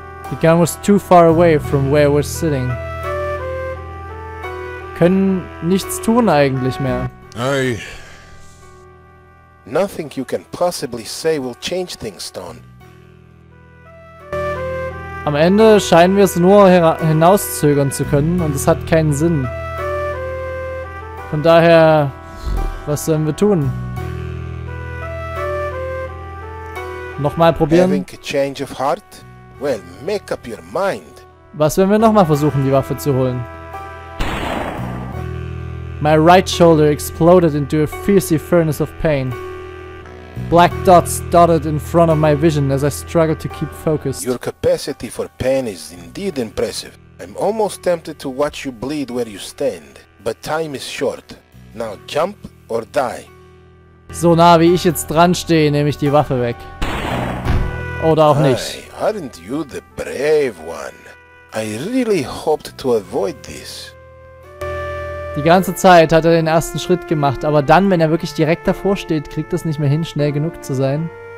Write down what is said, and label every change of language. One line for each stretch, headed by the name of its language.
English: The gun was too far away from where we're sitting.
German: Können nichts tun eigentlich mehr.
English: Aye. Nothing you can possibly say will change things, Stone.
German: Am Ende scheinen wir es nur hinauszögern zu können und es hat keinen Sinn. Von daher, was sollen wir tun? Nochmal probieren?
English: Having a change of heart? Well, make up your mind.
German: Was, wenn wir nochmal versuchen, die Waffe zu holen?
English: My right shoulder exploded into a fiercely furnace of pain. Black dots dotted in front of my vision as I struggled to keep focused. Your capacity for pain is indeed impressive. I'm almost tempted to watch you bleed where you stand. But time is short. Now jump or die.
German: So nah wie ich jetzt dran stehe, nehme ich die Waffe weg. Oder auch nicht.
English: Hi, aren't you the brave one? I really hoped to avoid this.
German: Die ganze Zeit hat er den ersten Schritt gemacht, aber dann, wenn er wirklich direkt davor steht, kriegt er es nicht mehr hin, schnell genug zu sein.